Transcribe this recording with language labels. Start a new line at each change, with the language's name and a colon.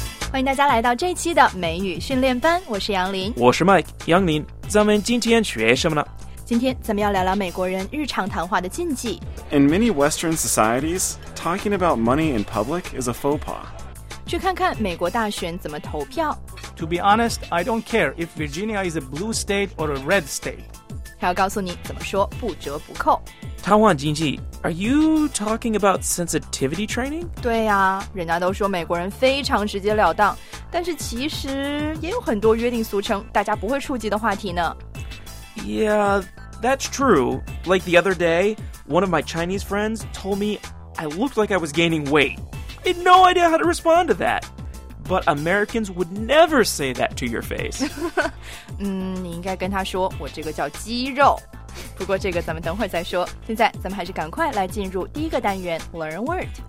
Chinese: 欢迎大家来到这期的美语训练班，我是杨林，我是 Mike 杨林。咱们今天学什么呢？今天咱们要聊聊美国人日常谈话的禁忌。
English: In many Western societies, talking about money in public is a faux pas.
Chinese: 去看看美国大选怎么投票。
English: To be honest, I don't care if Virginia is a blue state or a red state.
Chinese: 还要告诉你怎么说不折不扣。谈话禁忌
English: ，Are you talking about sensitivity training？
Chinese: 对呀、啊，人家都说美国人非常直截了当，但是其实也有很多约定俗成，大家不会触及的话题呢。
English: Yeah, that's true. Like the other day, one of my Chinese friends told me I looked like I was gaining weight. I had no idea how to respond to that. But Americans would never say that to your face.
Chinese: 你应该跟他说，我这个叫肌肉。不过这个咱们等会儿再说，现在咱们还是赶快来进入第一个单元 Learn a Word.